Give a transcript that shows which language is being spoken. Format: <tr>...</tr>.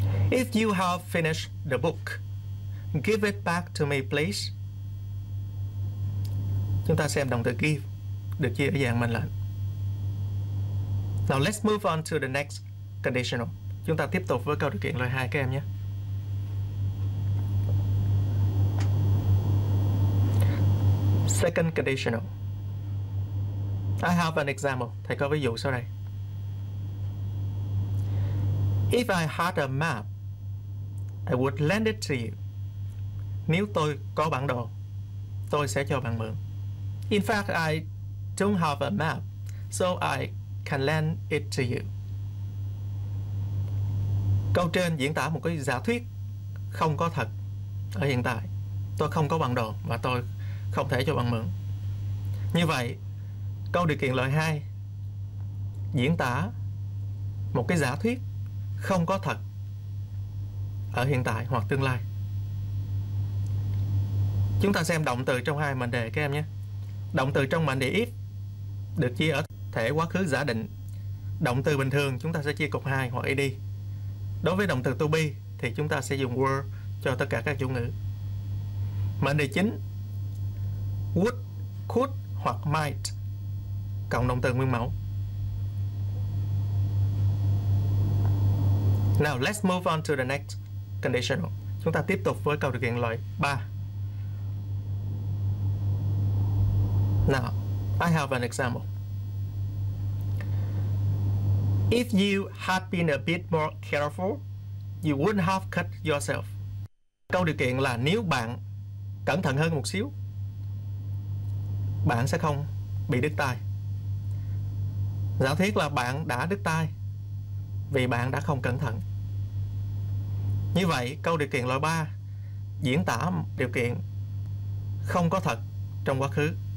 <en>If you have finished the book, give it back to me, please.</en> <vi>Chúng ta xem động từ give được chia ở dạng mệnh lệnh.</vi> <en>Now let's move on to the next conditional.</en> <vi>Chúng ta tiếp tục với câu điều kiện loại 2 các em nhé.</vi> <en>Second conditional. I have an example.</en> <vi>Thầy có ví dụ sau đây.</vi> <en>If I had a map, I would lend it to you.</en> <vi>Nếu tôi có bản đồ, tôi sẽ cho bạn mượn.</vi> <en>In fact, I don't have a map, so I can lend it to you.</en> <vi>Câu trên diễn tả một cái giả thuyết không có thật ở hiện tại. Tôi không có bản đồ và tôi không thể cho bạn mượn. Như vậy, câu điều kiện loại 2 diễn tả một cái giả thuyết không có thật ở hiện tại hoặc tương lai. Chúng ta xem động từ trong hai mệnh đề các em nhé. Động từ trong mệnh đề if được chia ở thể quá khứ giả định. Động từ bình thường chúng ta sẽ chia cục 2 hoặc ed. Đối với động từ to be thì chúng ta sẽ dùng were cho tất cả các chủ ngữ. Mệnh đề chính would, could hoặc might cộng động từ nguyên mẫu.</vi> <en>Now, let's move on to the next conditional.</en> <vi>Chúng ta tiếp tục với câu điều kiện loại 3.</vi> <en>Now, I have an example. If you had been a bit more careful, you wouldn't have cut yourself.</en> <vi>Câu điều kiện là nếu bạn cẩn thận hơn một xíu, bạn sẽ không bị đứt tay. Giả thiết là bạn đã đứt tay vì bạn đã không cẩn thận. Như vậy, câu điều kiện loại 3 diễn tả điều kiện không có thật trong quá khứ.</vi>